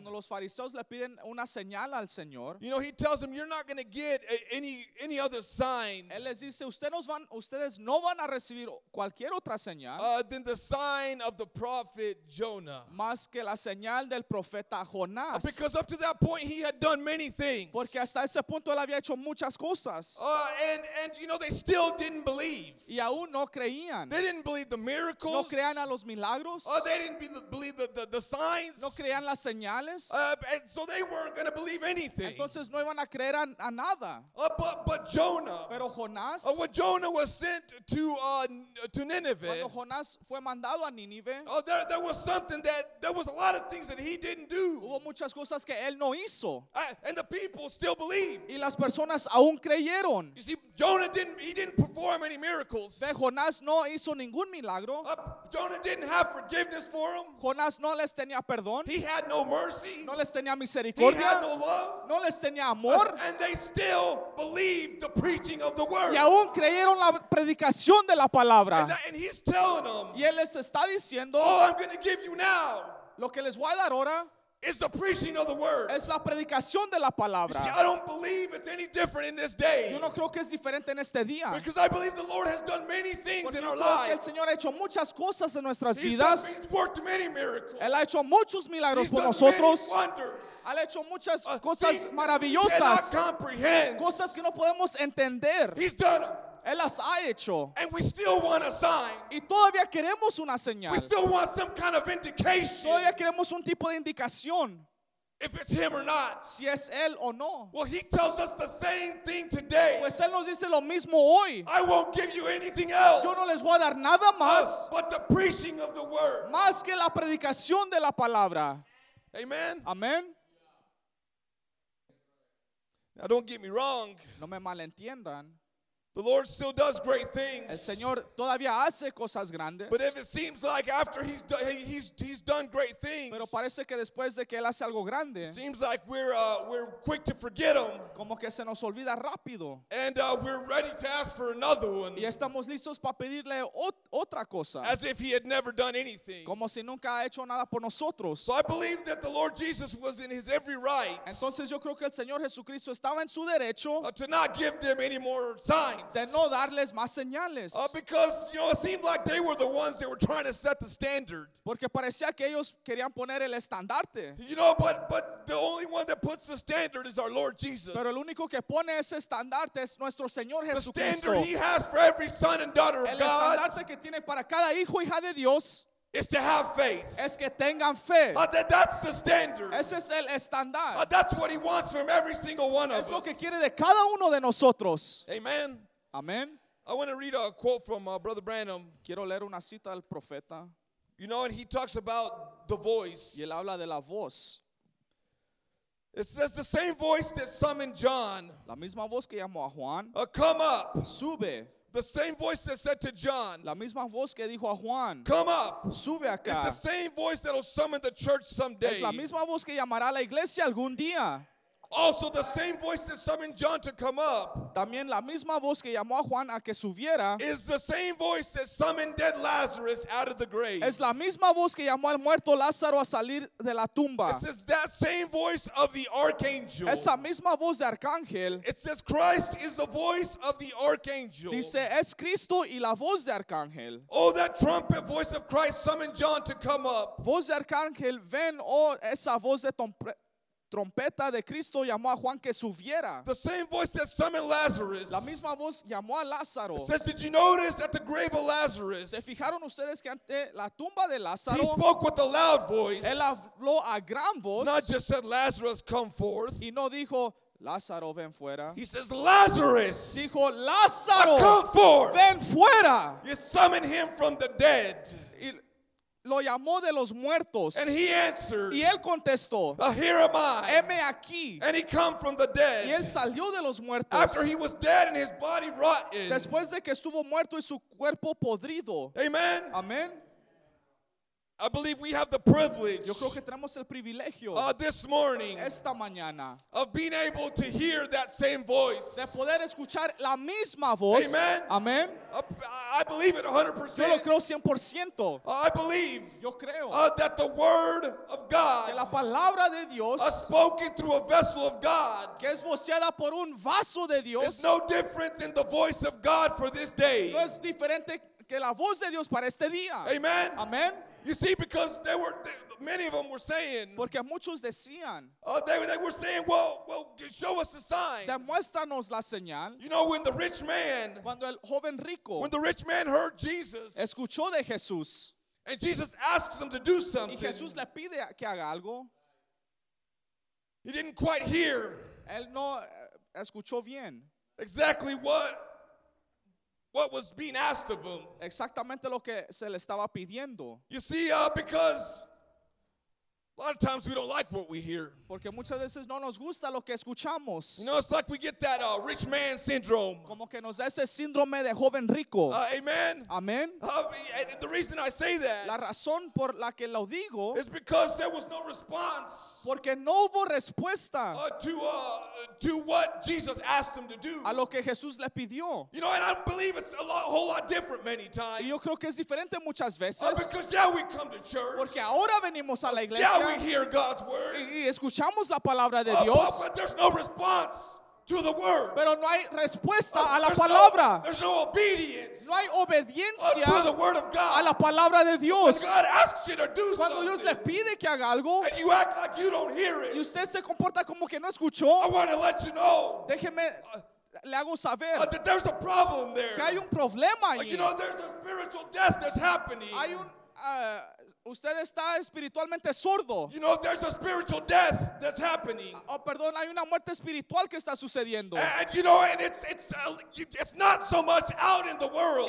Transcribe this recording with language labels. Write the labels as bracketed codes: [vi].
[es] Cuando los fariseos le piden una señal al Señor. [en] You know, He tells them, you're not going to get any other sign. [es] Él les dice, ustedes no van a recibir cualquier otra señal. [en] Than the sign of the prophet Jonah. [es] Más que la señal del profeta Jonás. [en] Because up to that point, he had done many things. [es] Porque hasta ese punto él había hecho muchas cosas. [en] And you know, they still didn't believe. [es] Y aún no creían. [en] They didn't believe the miracles. [es] No creían a los milagros. [en] They didn't believe the signs. [es] No creían las señales. [en] And so they weren't going to believe anything. [es] Entonces no iban a creer a nada. [en] But Jonah. [es] Pero Jonás. [en] When Jonah was sent to Nineveh. [es] Cuando Jonás fue mandado a Nínive. [en] There was something that there was a lot of things that he didn't do. [es] Hubo muchas cosas que él no hizo. [en] And the people still believed. [es] Y las personas aún creyeron. [en] You see, Jonah didn't perform any miracles. [es] Pero Jonás no hizo ningún milagro. [en] Jonah didn't have forgiveness for him. [es] Jonás no les tenía perdón. [en] He had no mercy. [es] No les tenía misericordia. [en] He had no love. [es] No les tenía amor. [en] And they still believed the preaching of the word. [es] Y aún creyeron la predicación de la palabra. [en] And he's telling them. [es] Y él les está diciendo. [en] All I'm going to give you now. [es] Lo que les voy a dar ahora. [en] It's the preaching of the word. [es] Es la predicación de la palabra. [en] You see, I don't believe it's any different in this day. [es] Yo no creo que es diferente en este día. [en] Because I believe the Lord has done many things [es] porque [en] in our lives. [es] Porque el Señor ha hecho muchas cosas en nuestras [en] he's [es] vidas. [en] Done, he's worked many miracles. [es] Él ha hecho muchos milagros [en] he's [es] por [en] done [es] nosotros. [en] Many wonders. [es] Ha hecho muchas cosas maravillosas. [en] Cannot comprehend. [es] Cosas que no podemos entender. [en] He's done them. [es] Él las ha hecho. [en] And we still want a sign. [es] Y todavía queremos una señal. [en] We still want some kind of indication. [es] Todavía queremos un tipo de indicación. [en] If it's him or not. [es] Si es él o no. [en] Well, he tells us the same thing today. [es] Pues él nos dice lo mismo hoy. [en] I won't give you anything else. [es] Yo no les voy a dar nada más. [en] But the preaching of the word. [es] Más que la predicación de la palabra. [en] Amen. [es] Amen. [en] Now, don't get me wrong. [es] No me malentiendan. [en] The Lord still does great things. [es] El Señor todavía hace cosas grandes. [en] But if it seems like after he's done great things, [es] pero parece que después de que él hace algo grande, [en] it seems like we're quick to forget him. [es] Como que se nos olvida rápido. [en] And we're ready to ask for another one. [es] Y estamos listos para pedirle otra cosa. [en] As if he had never done anything. [es] Como si nunca ha hecho nada por nosotros. [en] So I believe that the Lord Jesus was in his every right. [es] Entonces yo creo que el Señor Jesucristo estaba en su derecho. [en] To not give them any more signs. [es] De no darles más señales. [en] Because you know, it seemed like they were the ones that were trying to set the standard. [es] Porque parecía que ellos querían poner el estandarte. [en] You know, but the only one that puts the standard is our Lord Jesus. [es] Pero el único que pone ese estandarte es nuestro Señor Jesucristo. [en] The standard he has for every son and daughter of God. [es] El estandarte que tiene para cada hijo y hija de Dios. [en] Is to have faith. [es] Es que tengan fe. [en] That's the standard. [es] Ese es el estándar. [en] That's what he wants from every single one of us. [es] Es lo que quiere de cada uno de nosotros. [en] Amen. [es] Amen. [en] I want to read a quote from Brother Branham. [es] Quiero leer una cita del profeta. [en] You know, and he talks about the voice. [es] Y él habla de la voz. [en] It says the same voice that summoned John. [es] La misma voz que llamó a Juan. [en] Come up. [es] Sube. [en] The same voice that said to John, [es] la misma voz que dijo a Juan, [en] come up. [es] Sube acá. [en] It's the same voice that will summon the church someday. [es] Es la misma voz que llamará a la iglesia algún día. [en] Also, the same voice that summoned John to come up, [es] también la misma voz que llamó a Juan a que subiera, [en] is the same voice that summoned dead Lazarus out of the grave. [es] Es la misma voz que llamó al muerto Lázaro a salir de la tumba. [en] It says that same voice of the archangel. [es] Esa misma voz de arcángel. [en] It says Christ is the voice of the archangel. [es] Dice es Cristo y la voz de arcángel. [en] Oh, that trumpet voice of Christ summoned John to come up. [es] Voz de arcángel, ven, oh, esa voz de trompeta de Cristo llamó a Juan que subiera. [en] The same voice that summoned Lazarus. [es] La misma voz llamó a Lázaro. [en] It says, did you notice at the grave of Lazarus? [es] ¿Se fijaron ustedes que ante la tumba de Lázaro? [en] He spoke with a loud voice. [es] Él habló a gran voz. [en] Not just said, Lazarus, come forth. [es] Y no dijo, Lázaro, ven fuera. [en] He says, Lazarus. [es] Dijo, Lázaro, [en] come forth. [es] Ven fuera. [en] You summoned him from the dead. [es] Lo llamó de los muertos. [en] And he answered, [es] y él contestó, [en] here am I. [es] Heme aquí. [en] And he come from the dead. [es] Y él salió de los muertos. [en] After he was dead and his body rotten. [es] Después de que estuvo muerto y su cuerpo podrido. [en] Amen. [es] Amen. [en] I believe we have the privilege. [es] Yo creo que tenemos el privilegio. [en] This morning. [es] Esta mañana. [en] Of being able to hear that same voice. [es] De poder escuchar la misma voz. [en] Amen. [es] Amen. [en] I believe it 100%. [es] Yo lo creo 100%. [en] I believe. [es] Yo creo. [en] That the word of God. [es] De la palabra de Dios. [en] Spoken through a vessel of God. [es] Que es voceada por un vaso de Dios. [en] Is no different than the voice of God for this day. [es] No es diferente que la voz de Dios para este día. [en] Amen. [es] Amen. [en] You see, because they were, many of them were saying. [es] Porque muchos decían. [en] They were saying, well, show us a sign. [es] Demuéstranos la señal. [en] You know, when the rich man. [es] Cuando el joven rico. [en] When the rich man heard Jesus. [es] Escuchó de Jesús. [en] And Jesus asked them to do something. [es] Y Jesús le pide que haga algo. [en] He didn't quite hear. [es] Él no escuchó bien. [en] Exactly what. What was being asked of him? [es] Exactamente lo que se le estaba pidiendo. [en] You see, because a lot of times we don't like what we hear. [es] Porque muchas veces no nos gusta lo que escuchamos. [en] You know, it's like we get that rich man syndrome. [es] Como que nos da ese síndrome de joven rico. [en] Amen. [es] Amen. [en] The reason I say that. [es] La razón por la que lo digo. [en] Is because there was no response. [es] Porque no hubo respuesta [en] to what Jesus asked him to do. [es] A lo que Jesús le pidió. [en] You know, and I believe it's a whole lot different many times. [es] Y yo creo que es diferente muchas veces. [en] Because yeah, we come to church. [es] Porque ahora venimos a la iglesia. [en] Yeah, we hear God's word. [es] Y escuchamos la palabra de Dios. [en] But there's no response to the word. [es] Pero no hay respuesta a la palabra. [en] There's no obedience. [es] No hay obediencia [en] to the word of God. [es] A la palabra de Dios. [en] When God asks you to do [es] cuando [en] something, [es] Dios le pide que haga algo, [en] and you act like you don't hear it, [es] y usted se comporta como que no escuchó, [en] I want to let you know. [es] Déjeme le hago saber [en] that there's a problem there. [es] Que hay un problema ahí. [en] You know, there's a spiritual death that's happening. [es] Hay un usted está espiritualmente sordo. [en] You know, there's a spiritual death that's happening. [es] Perdón, hay una muerte espiritual que está sucediendo. [en] And you know, and it's not so much out in the world.